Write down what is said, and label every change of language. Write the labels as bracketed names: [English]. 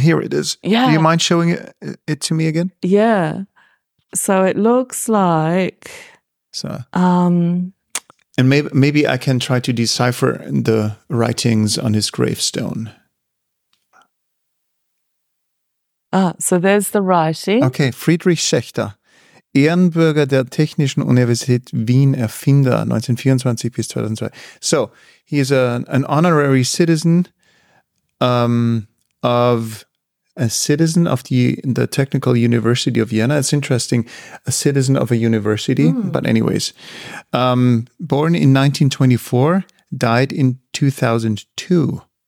[English] Here it is. Yeah. Do you mind showing it to me again? Yeah. So it looks like... And maybe I can try to decipher the writings on his gravestone. So there's the writing. [German] Okay, Friedrich Schechter, Ehrenbürger der Technischen Universität Wien, Erfinder 1924 bis 2002. [English] So he is an honorary citizen of the Technical University of Vienna. It's interesting, a citizen of a university, but anyways. Born in 1924, died in 2002.